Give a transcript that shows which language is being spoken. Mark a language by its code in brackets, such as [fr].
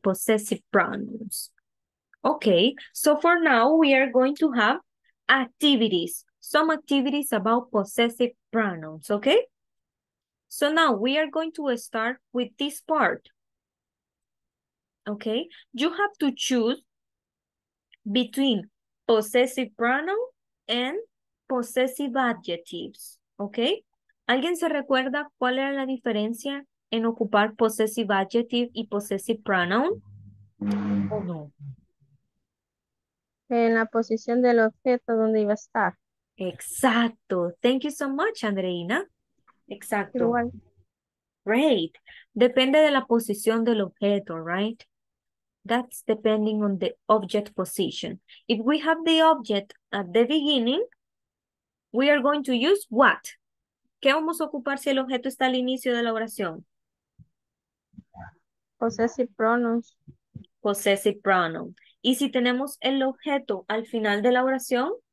[en] Possessive pronouns. Okay, so for now we are going to have activities, some activities about possessive pronouns, okay? So now we are going to start with this part. Okay, you have to choose between possessive pronoun and possessive adjectives, okay? [es] ¿Alguien se recuerda cuál era la diferencia en ocupar possessive adjective y possessive pronoun? ¿O no? En la posición del objeto donde iba a estar. Exacto. [en] Thank you so much, Andreina. Exacto. [es] Igual. [en] Great. [es] Depende de la posición del objeto, [en] right? That's depending on the object position. If we have the object at the beginning, we are going to use what? [es] ¿Qué vamos a ocupar si el objeto está al inicio de la oración? [en] Possessive pronouns. Possessive pronoun. [es] ¿Y si tenemos el objeto al final de la oración?